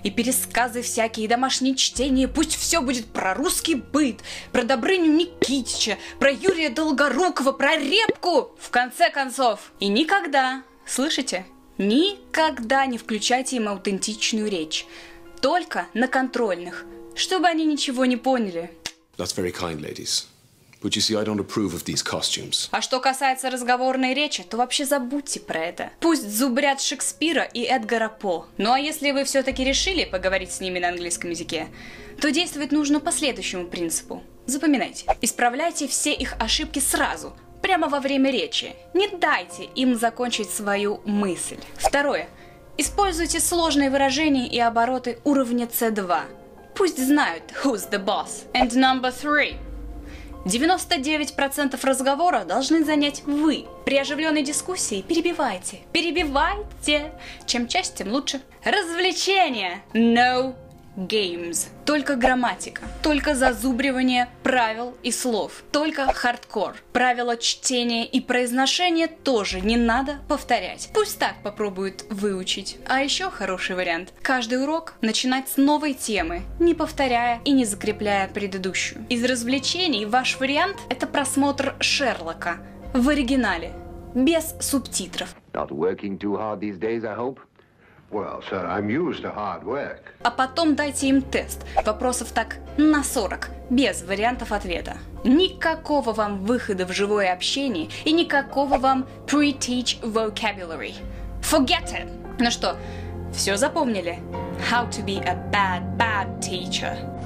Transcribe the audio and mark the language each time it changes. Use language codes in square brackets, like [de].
[ru] И пересказы всякие, домашние чтения, пусть все будет про русский быт, про Добрыню Никитича, про Юрия Долгорукова, про репку, в конце концов. И никогда, слышите, никогда не включайте им аутентичную речь. Только на контрольных, чтобы они ничего не поняли. [en] That's very kind, ladies. But you see, I don't approve of these costumes. [ru] А что касается разговорной речи, то вообще забудьте про это. Пусть зубрят Шекспира и Эдгара По. Ну а если вы все-таки решили поговорить с ними на английском языке, то действовать нужно по следующему принципу. Запоминайте. Исправляйте все их ошибки сразу, прямо во время речи. Не дайте им закончить свою мысль. Второе. Используйте сложные выражения и обороты уровня C2. Пусть знают, [en] who's the boss. And number three. [ru] 99% разговора должны занять вы. При оживленной дискуссии перебивайте. Перебивайте. Чем чаще, тем лучше. Развлечения. [en] No Games. [ru] Только грамматика. Только зазубривание правил и слов. Только хардкор. Правила чтения и произношения тоже не надо повторять. Пусть так попробуют выучить. А еще хороший вариант. Каждый урок начинать с новой темы, не повторяя и не закрепляя предыдущую. Из развлечений ваш вариант – это просмотр Шерлока в оригинале, без субтитров. [en] Not working too hard these days, I hope. Well, sir, I'm used to hard work. [ru] А потом дайте им тест. Вопросов так на 40, без вариантов ответа. Никакого вам выхода в живое общение и никакого вам pre-teach vocabulary. [en] Forget it! [ru] Ну что, все запомнили? [en] How to be a bad, bad teacher.